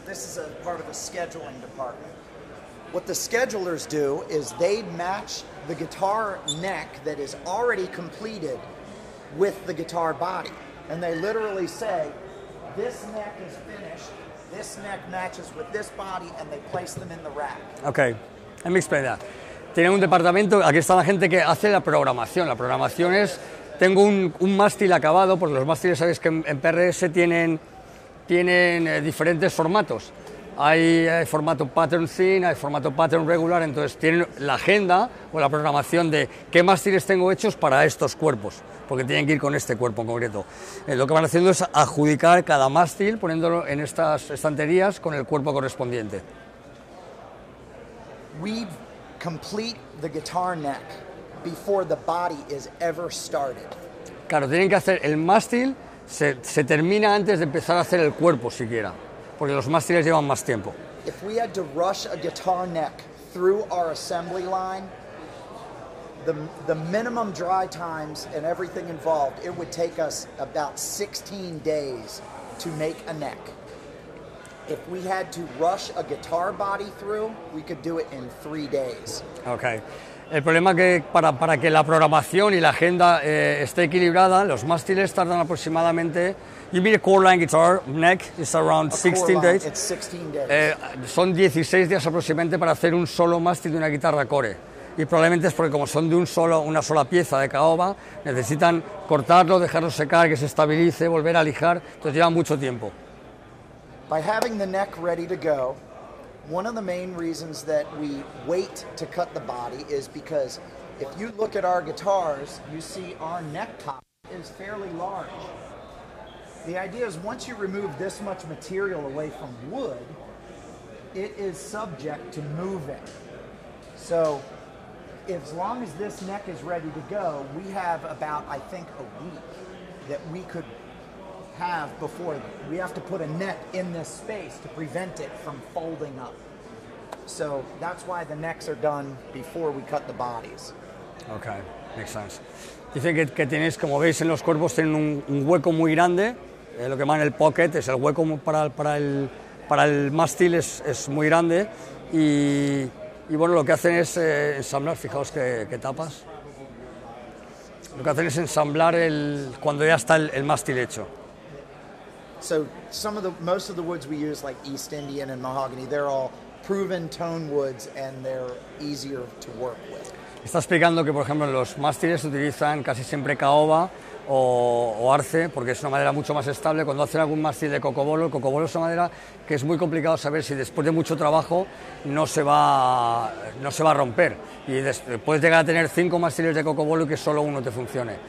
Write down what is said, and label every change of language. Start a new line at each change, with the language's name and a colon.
English: This is a part of a scheduling department. What the schedulers do is they match the guitar neck that is already completed with the guitar body. And they literally say, this neck is finished, this neck matches with this body, and they place them in the rack. Okay, let me explain that.
Spanish: Tienen un departamento, aquí está la gente que hace la programación. La programación es, tengo un mástil acabado, porque los mástiles, sabes que en PRS tienen diferentes formatos. Hay formato pattern thin, hay formato pattern regular, entonces tienen la agenda o la programación de qué mástiles tengo hechos para estos cuerpos, porque tienen que ir con este cuerpo en concreto. Lo que van haciendo es adjudicar cada mástil poniéndolo en estas estanterías con el cuerpo correspondiente.
English: We complete the guitar neck before the body is ever started.
Spanish: Claro, tienen que hacer el mástil, se termina antes de empezar a hacer el cuerpo siquiera. Porque los mástiles llevan más tiempo.
English: If we had to rush a guitar neck through our assembly line, the minimum dry times and everything involved, it would take us about 16 days to make a neck. If we had to rush a guitar body through, we could do it in 3 days. Okay.
Spanish: El problema que para que la programación y la agenda esté equilibrada, los mástiles tardan aproximadamente.
English: You mean a core line guitar neck is around 16 line, days? It's 16 days.
Spanish: Son 16 días aproximadamente para hacer un solo mástil de una guitarra core. Y probablemente es porque como son de una sola pieza de caoba, necesitan cortarlo, dejarlo secar, que se estabilice, volver a lijar. Entonces lleva mucho tiempo.
English: By having the neck ready to go, one of the main reasons that we wait to cut the body is because if you look at our guitars, you see our neck top is fairly large. The idea is once you remove this much material away from wood, it is subject to moving. So as long as this neck is ready to go, we have about, I think, a week that we could have before. We have to put a net in this space to prevent it from folding up. So that's why the necks are done before we cut the bodies. Okay, makes sense.
Spanish: Dicen que tienes, como veis en los cuerpos, tienen un hueco muy grande lo que llaman el pocket, es el hueco para el mástil es muy grande y bueno, lo que hacen es ensamblar, fijaos qué tapas. Lo que hacen es ensamblar cuando ya está el mástil hecho.
English: So most of the woods we use, like East Indian and mahogany, they're all proven tone woods and they're easier to work with.
Spanish: Está explicando que, por ejemplo, los mástiles utilizan casi siempre caoba o arce, porque es una madera mucho más estable. Cuando hacen algún mástil de cocobolo, el cocobolo es una madera que es muy complicado saber si después de mucho trabajo no se va a romper. Y puedes llegar a tener 5 mástiles de cocobolo y que solo uno te funcione.